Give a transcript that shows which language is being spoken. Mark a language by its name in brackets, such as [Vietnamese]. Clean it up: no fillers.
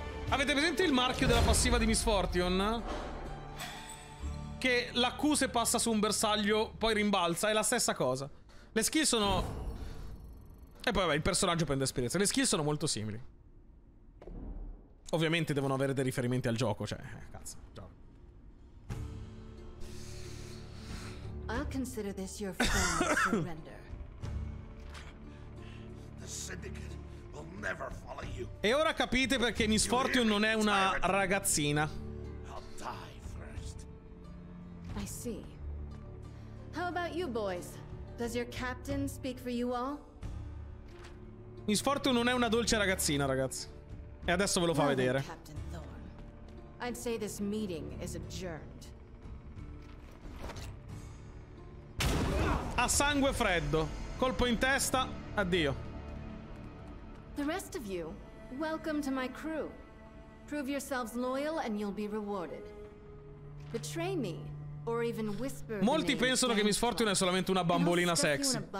[Italian] Avete presente il marchio della passiva di Miss Fortune? Che la Q se passa su un bersaglio poi rimbalza, è la stessa cosa. Le skill sono... E poi vabbè, il personaggio prende esperienza. Le skill sono molto simili. Ovviamente devono avere dei riferimenti al gioco, cioè... cazzo, gioco. [English] I'll consider this your final surrender. The syndicate will never follow you. [Italian] E ora capite perché Miss Fortune non è una ragazzina. [English] I'll die first. I see. How about you boys? Does your captain speak for you all? [Italian] Miss Fortune non è una dolce ragazzina, ragazzi. E adesso ve lo fa vedere. [English] Captain Thorne, I'd say this meeting is adjourned. [Italian] A sangue freddo. Colpo in testa. Addio. [English] The rest of you, welcome to my crew. Prove yourselves loyal and you'll be rewarded. Betray me or even whisper. [Italian] Molti pensano che Miss Fortune è solamente una bambolina sexy.